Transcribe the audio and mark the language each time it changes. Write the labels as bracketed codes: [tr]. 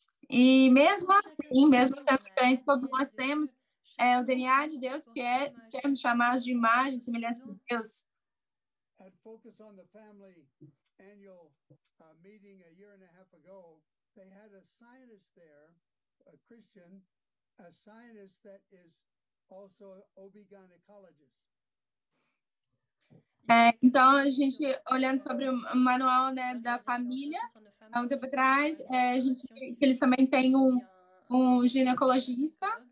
[pt] E mesmo assim, mesmo sendo diferente, todos nós temos o DNA de Deus, que é sermos chamados de imagem e semelhança de Deus. [en] At Focus on the Family annual meeting a year and a half ago, they had a scientist there, a Christian, a scientist that is also OB-gynecologist. [pt] Então, a gente, olhando sobre o manual, né, da família, há um tempo atrás, que eles também têm um ginecologista.